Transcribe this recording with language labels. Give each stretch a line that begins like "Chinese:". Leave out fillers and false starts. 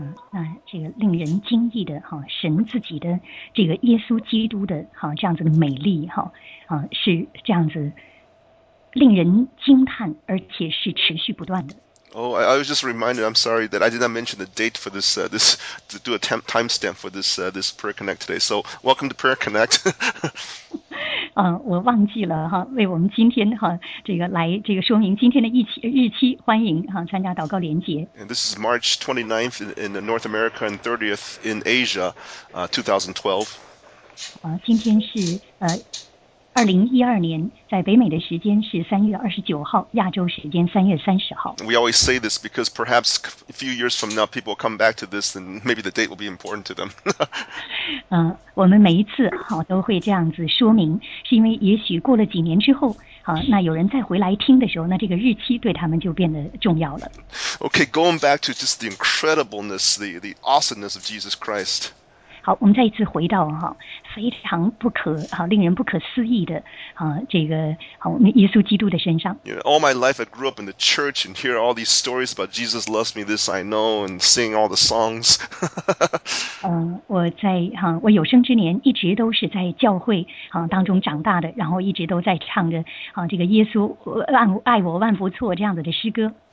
Chinese: 那这个令人惊异的哈、神自己的这个耶稣基督的哈、这样子的美丽哈、是这样子令人惊叹，而且是持续不断的。
English: Oh, I was just reminded. I'm sorry that I did not mention the date for this. This to do a timestamp for this this Prayer Connect today. So welcome to Prayer Connect.
Chinese: 我忘记了哈、为我们今天哈、这个来这个说明今天的日期，欢迎哈、参加祷告连结。
English: And this is March 29th in North America and 30th in Asia, 2012.
Chinese: 今天是2012年，在北美的时间是3月29号，亚洲时间3月30号。
English: We always say this because perhaps a few years from now, people will come back to this, and maybe the date will be important to them.
Chinese: 我们每一次好都会这样子说明，是因为也许过了几年之后，好，那有人再回来听的时候，那这个日期对他们就变得重要了。
English: Okay, going back to just the incredibleness, the awesomeness of Jesus Christ.
Chinese: 好，我们再一次回到哈，非常不可哈，令人不可思议的啊，这个好，我们耶稣基督的身上。
English: All my life, I grew up in the church and hear all these stories about Jesus loves me, this I know, and sing all the songs.
Chinese: 我在哈，我有生之年一直都是在教会啊当中长大的，然后一直都在唱着啊这个耶稣爱我万不错这样子的诗歌。